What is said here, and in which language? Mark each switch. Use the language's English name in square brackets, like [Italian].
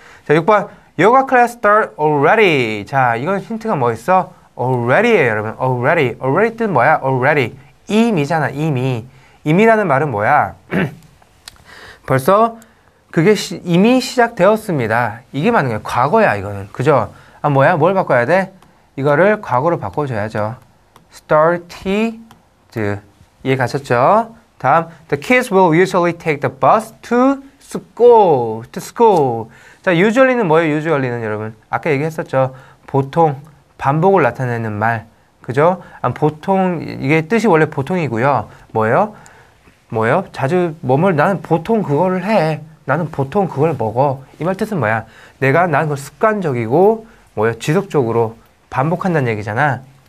[Korean] 자, 6번 요가 클래스 [English] start already. [Korean] 자, 이건 힌트가 뭐 있어? already예요, 여러분. already. already 뜻 뭐야? already. 이미잖아, 이미. 이미라는 말은 뭐야? 벌써 그게 이미 시작되었습니다. 이게 맞는 거야. 과거야, 이거는. 그죠? 아, 뭐야? 뭘 바꿔야 돼? 이거를 과거로 바꿔줘야죠. started. 이해 가셨죠? [English] 다음, the kids will usually take the bus to school. To school. [Korean] 자, usually는 뭐예요? usually는 여러분 아까 얘기했었죠. 보통 반복을 나타내는 말, 그죠? 아, 보통 이게 뜻이 원래 보통이고요. 뭐예요? 뭐예요? 자주 뭐뭘 나는 보통 그거를 해. 나는 보통 그걸 먹어. 이 말 뜻은 뭐야? 내가 나는 그 습관적이고 뭐예요? 지속적으로 반복한다는 얘기잖아.